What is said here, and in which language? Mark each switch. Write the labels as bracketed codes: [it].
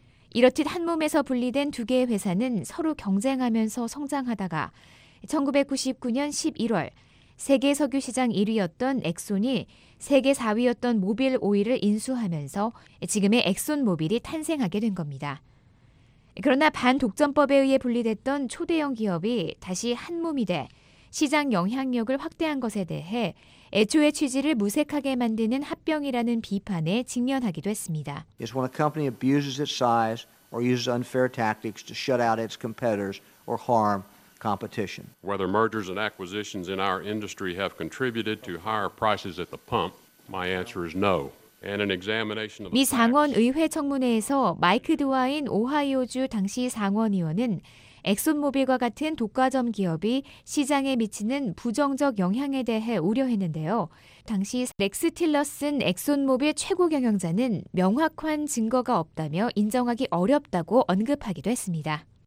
[ko] 이렇듯 한 몸에서 분리된 두 개의 회사는 서로 경쟁하면서 성장하다가 1999년 11월 세계 석유 시장 1위였던 엑손이 세계 4위였던 모빌 오일을 인수하면서 지금의 엑손 모빌이 탄생하게 된 겁니다. 그러나 반독점법에 의해 분리됐던 초대형 기업이 다시 한 몸이 돼 시장 영향력을 확대한 것에 대해 애초의 취지를 무색하게 만드는 합병이라는 비판에 직면하기도 했습니다. [en] It's when a company abuses its size or uses unfair tactics to shut out its competitors or harm competition. Whether mergers and acquisitions in our industry have contributed to higher prices at the pump, my answer is no. And an examination of the [ko] 미 상원 의회 청문회에서 마이크 드와인 오하이오주 당시 상원 의원은 엑손모빌과 같은 독과점 기업이 시장에 미치는 부정적 영향에 대해 우려했는데요. 당시 렉스 틸러슨 엑손모빌 최고 경영자는 명확한 증거가 없다며 인정하기 어렵다고 언급하기도 했습니다.